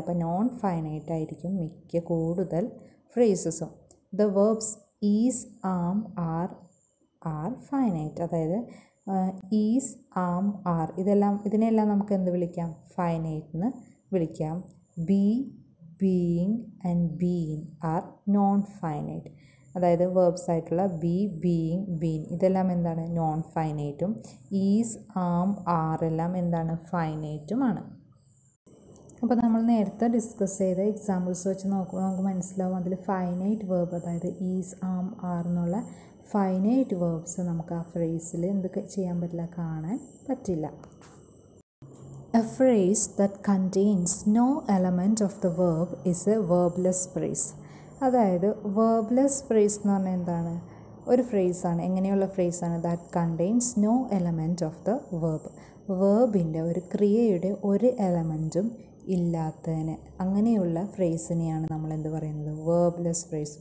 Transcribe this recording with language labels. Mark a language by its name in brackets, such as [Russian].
[Malayalam] അപ്പോൾ non finite ആയിരിക്കും മിക്ക കൂടുതൽ ഫ്രേസസും. [English] The verbs is, am, are finite. [Malayalam] അതായത് ഈസ്, ആം, ആർ, ഇതെല്ലാം, ഇതിനെയെല്ലാം നമുക്ക് എന്ത് വിളിക്കാം, ഫൈനൈറ്റ് എന്ന് വിളിക്കാം. B, [English] being and been are non-finite. [Malayalam] അതായത് വേർബ്സായിട്ടുള്ള ബി ബീങ് ബീൻ ഇതെല്ലാം എന്താണ് നോൺ ഫൈനൈറ്റും ഈസ് ആം ആർ എല്ലാം എന്താണ് ഫൈനൈറ്റുമാണ്. അപ്പോൾ നമ്മൾ നേരത്തെ ഡിസ്കസ് ചെയ്ത എക്സാമ്പിൾസ് വെച്ച് നോക്കുമ്പോൾ നമുക്ക് മനസ്സിലാവും അതിൽ ഫൈനൈറ്റ് വേർബ് അതായത് ഈസ് ആം ആർ എന്നുള്ള ഫൈനൈറ്റ് വേർബ്സ് നമുക്ക് ആ ഫ്രേസിൽ എന്തൊക്കെ ചെയ്യാൻ പറ്റില്ല കാണാൻ പറ്റില്ല. [English] A phrase that contains no element of the verb is a verbless phrase. [Malayalam] അതായത് വേർബ്ലെസ് ഫ്രേസ് എന്ന് പറഞ്ഞാൽ എന്താണ്, ഒരു ഫ്രേസാണ്, എങ്ങനെയുള്ള ഫ്രേസാണ്, [English] that contains no element of the verb, [Malayalam] വേർബിൻ്റെ ഒരു ക്രിയയുടെ ഒരു എലമെൻറ്റും ഇല്ലാത്തതിന്, അങ്ങനെയുള്ള ഫ്രേസിനെയാണ് നമ്മൾ എന്ത് പറയുന്നത്, [English] Verbless phrase.